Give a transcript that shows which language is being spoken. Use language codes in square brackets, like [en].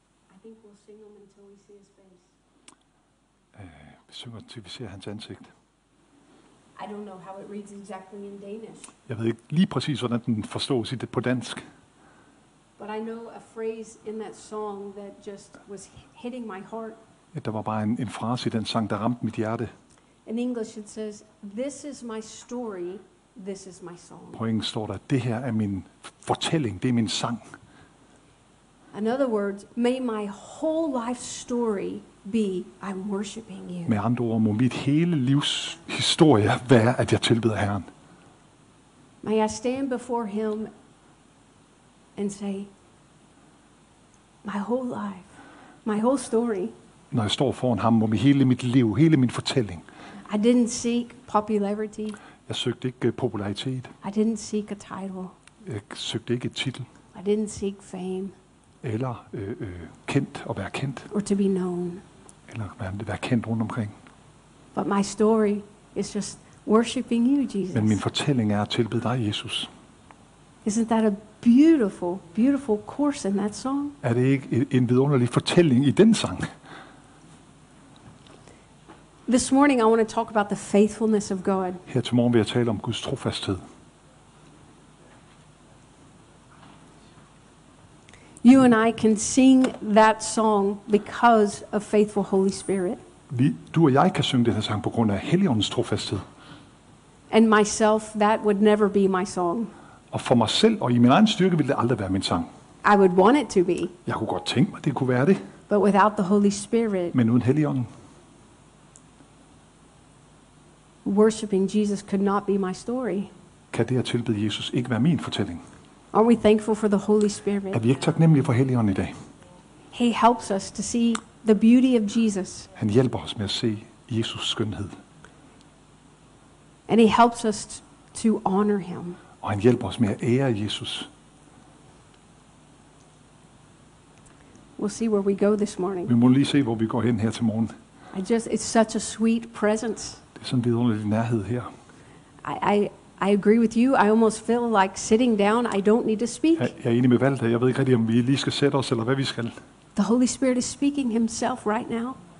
[en] I think we'll sing them until we see his face. [da] Vi synger til vi ser hans ansigt. [en] I don't know how it reads exactly in Danish. [da] Jeg ved ikke lige præcis hvordan den forstås i det på dansk. [en] But I know a phrase in that song that just was hitting my heart. [da] Der var bare en frase i den sang, der ramte mit hjerte. [en] In English it says, "This is my story, this is my song." [da] På engelsk står der, det her er min fortælling, det er min sang. [en] In other words, may my whole life story be, I'm worshiping you. [da] Med andre ord, må mit hele livs historie være, at jeg tilbeder Herren. [en] May I stand before him and say, my whole life, my whole story. [da] Når jeg står foran ham, må hele mit liv, hele min fortælling. [en] I didn't seek popularity. [da] Jeg søgte ikke popularitet. [en] I didn't seek a title. [da] Jeg søgte ikke et titel. [en] I didn't seek fame. [da] Eller kendt og være kendt. [en] Or to be known. [da] Eller være kendt rundt omkring. [en] But my story is just worshiping you, Jesus. [da] Men min fortælling er at tilbede dig, Jesus. [en] Isn't that a beautiful, beautiful course in that song? [da] Er det ikke en vidunderlig fortælling i den sang? [en] This morning I want to talk about the faithfulness of God. [da] Her til morgen vil jeg tale om Guds trofasthed. [en] You and I can sing that song because of faithful Holy Spirit. [da] Du og jeg kan synge den her sang på grund af Helligåndens trofasthed. [en] And myself, that would never be my song. [da] Og for mig selv og i min egen styrke ville det aldrig være min sang. [en] I would want it to be. [da] Jeg kunne godt tænke mig, det kunne være det. [en] But without the Holy Spirit. [da] Men uden Helligånden. [en] Worshiping Jesus could not be my story. [da] Kan det at tilbede Jesus ikke være min fortælling? [en] Are we thankful for the Holy Spirit? [da] Er vi ikke taknemmelige for Helligånden i dag? [en] He helps us to see the beauty of Jesus. [da] Han hjælper os med at se Jesus skønhed. [en] And he helps us to honor him. [da] Og han hjælper os med at ære Jesus. [en] We'll see where we go this morning. [da] Vi må lige se hvor vi går hen her til morgen. [en] It's such a sweet presence. [da] Det er sådan en vidunderlig nærhed her. [en] I agree with you. I almost feel like sitting down. I don't need to speak. [da] Jeg er enig med Valter. Jeg ved ikke rigtig, om vi lige skal sætte os, eller hvad vi skal. [en] The Holy Spirit is speaking himself right now.